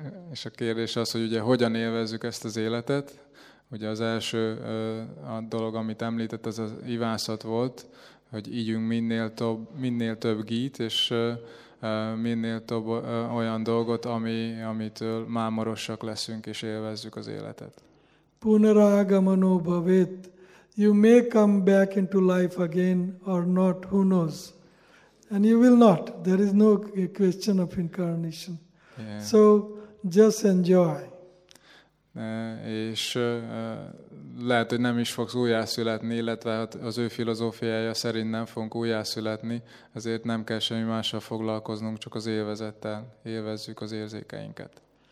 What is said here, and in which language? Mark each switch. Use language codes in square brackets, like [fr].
[hu] És a kérdés az, hogy ugye hogyan élvezzük ezt az életet. Ugye az első a dolog, amit említett, az az ivászat volt, hogy ígyünk minél több gít, és minél több olyan dolgot, amitől mámorosak leszünk, és élvezzük az életet. [sa] Punaragamano bhavet. [en] You may come back into life again or not, who knows. And you will not. There is no question of incarnation. Yeah. So just enjoy. [hu] És lehet, hogy nem is fogsz újjászületni, illetve az ő filozófiája szerint nem fogunk újjászületni, ezért nem kell semmi mással foglalkoznunk, csak az élvezettel, élvezzük az érzékeinket.